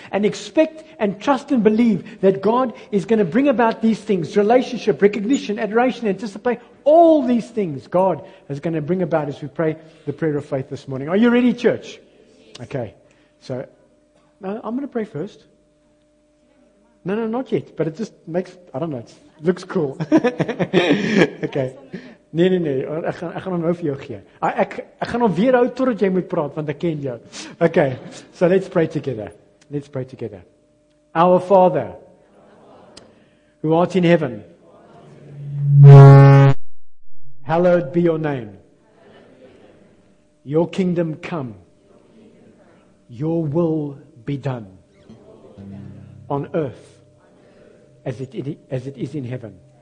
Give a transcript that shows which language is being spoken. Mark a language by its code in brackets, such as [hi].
[en] And expect and trust and believe that God is going to bring about these things, relationship, recognition, adoration, anticipate, all these things God is going to bring about as we pray the prayer of faith this morning. Are you ready, church? Okay, so I'm going to pray first. No, not yet, but it just makes, I don't know, it looks cool. Okay. [af] Nee, ek gaan hom nou vir jou gee. Ek gaan hom weer hou totdat jy moet praat, want ek ken jou. [en] Okay, so let's pray together. Let's pray together. Our Father, who art in heaven, hallowed be your name. Your kingdom come. Your will be done on earth as it is in heaven.